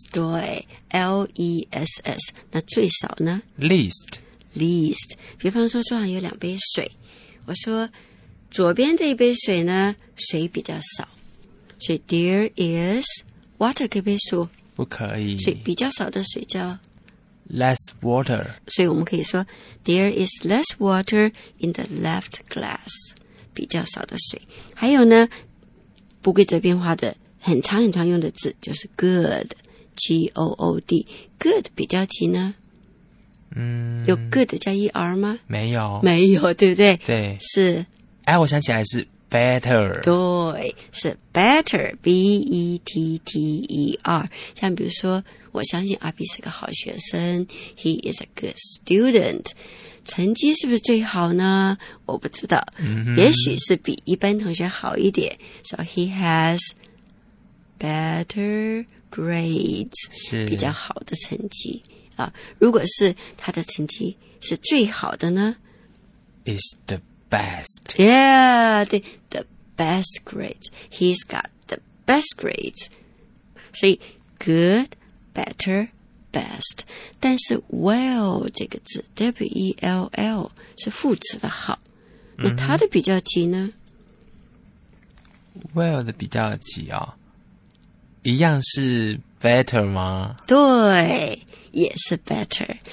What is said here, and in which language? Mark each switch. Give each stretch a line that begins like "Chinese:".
Chinese: 对 L-E-S-S 那最少呢
English: least
Chinese: 比方说桌上有两杯水我说左边这一杯水呢水比较少所以
English: there is water
Chinese: 可以被数不可以所以比较少的水叫
English: Less water.
Chinese: 所以我们可以说
English: There is less water in the left glass.
Chinese: 比较少的水。还有呢不规则变化的很常很常用的字就是 good. G-O-O-D. Good 比较级呢有 good 加 er 吗没有。没有对不对对。是。哎我想起来是 better. 对。是 better. B-E-T-T-E-R. 像比如说我相信阿比是个好学生
English: He is a good student
Chinese: 成绩是不是最好呢我不知道、 mm-hmm. 也许是比一般同学好一点
English: So he has better grades
Chinese: 是比较好的成绩、啊、如果是他的成绩是最好的呢
English: Is the best Yeah 对 The best grades He's got the best grades 所以 goodBetter, best.
Chinese: 但是 well 这个字 W-E-L-L 是副词的好。那它的比较级呢、 mm-hmm. Well 的比较级啊、哦、一样是 better 吗对也是 better。